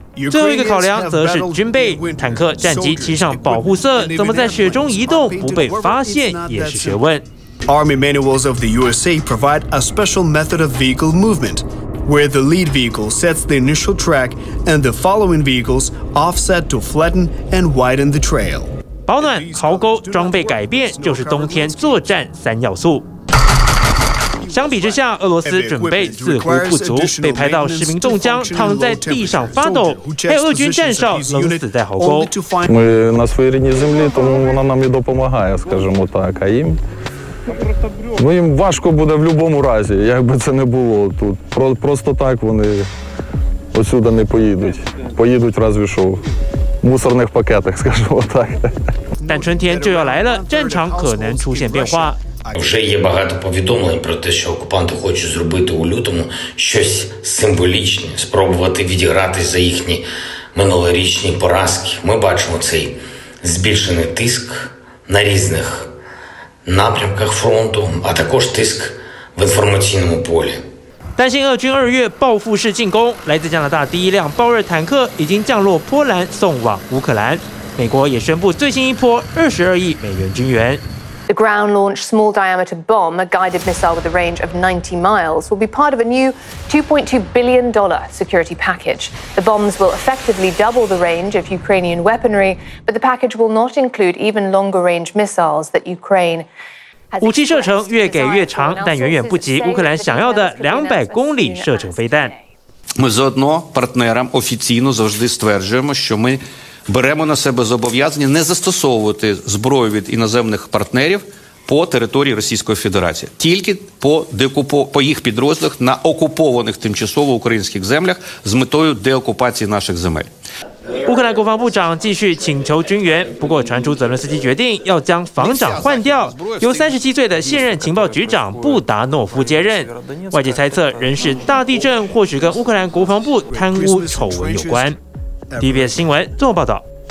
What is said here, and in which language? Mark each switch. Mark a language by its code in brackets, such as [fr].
[zh] 最后一个考量则是军备，坦克、战机漆上保护色，怎么在雪中移动不被发现也是学问。 [en] Army manuals of the USA provide a special method of vehicle movement, where the lead vehicle sets the initial track and the following vehicles offset to flatten and widen the trail. [zh] 保暖、壕沟、装备改变，就是冬天作战三要素。相比之下，俄罗斯准备似乎不足，被拍到士兵冻僵，躺在地上发抖，还有俄军战少冷死在壕沟。 [uk] Мы на своїй рідній землі, тому вона нам і допомагає, скажімо так, а їм, ну їм важко буде в будь-якому разі, якби це не було тут. Просто так вони отсюда не поїдуть, поїдуть разве що в мусорних пакетах, скажімо так. [zh] 但春天就要来了，战场可能出现变化。 [uk] Вже є багато повідомлень про те, що окупанти хочуть зробити у лютому щось символічне, спробувати відігратися за їхні минулорічні поразки. Ми бачимо цей збільшений тиск на різних напрямках фронту, а також тиск в інформаційному полі. [zh] 担心俄军二月报复式进攻，来自加拿大第一辆豹二坦克已经降落波兰，送往乌克兰。美国也宣布最新一波$22亿军援。 [en] The ground-launched small-diameter bomb, a guided missile with a range of 90 miles, will be part of a new $2.2 billion security package. The bombs will effectively double the range of Ukrainian weaponry, but the package will not include even longer-range missiles that Ukraine has. [zh] 武器射程越给越长，但远远不及乌克兰想要的200公里射程飞弹。 [uk] Ми заодно партнерам офіційно завжди стверджуємо, що ми беремо на себе зобов'язання не застосовувати зброю від іноземних партнерів по території Російської Федерації, тільки по їх підрозділах на окупованих тимчасово українських землях з метою деокупації наших земель. [zh] 乌克兰国防部长继续请求军援，不过传出泽伦斯基决定要将防长换掉，由37岁的现任情报局长布达诺夫接任。外界猜测，仍是大地震或许跟乌克兰国防部贪污丑闻有关。TVBS 新闻综合报道。